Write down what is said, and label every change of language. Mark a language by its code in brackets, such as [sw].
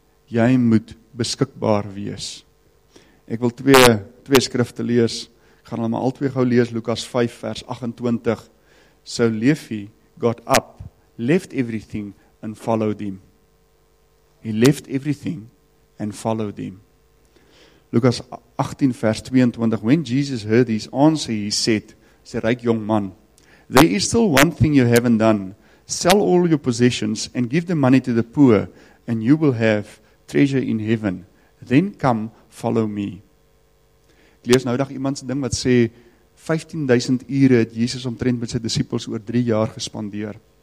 [af] Jy moet beskikbaar wees. Ek wil twee skrifte lees. Ek gaan hulle maar al twee gauw lees, Lukas 5 vers 28. [en] So Levi got up, left everything and followed him. He left everything and followed him. Lukas 18 vers 22, when Jesus heard his answer, he said, [af] sê ryk jong man, [en] there is still one thing you haven't done. Sell all your possessions and give the money to the poor and you will have treasure in heaven. Then come, follow me. [af] Ek lees nou dag iemand se ding wat sê, 15.000 ure het Jesus omtrent met sy disciples oor 3 jaar gespandeer.